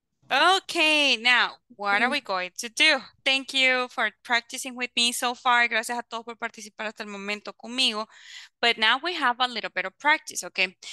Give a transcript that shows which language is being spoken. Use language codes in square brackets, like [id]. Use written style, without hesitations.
[en] Okay, now, what are we going to do? Thank you for practicing with me so far. [es] Gracias a todos por participar hasta el momento conmigo. [en] But now we have a little bit of practice, okay?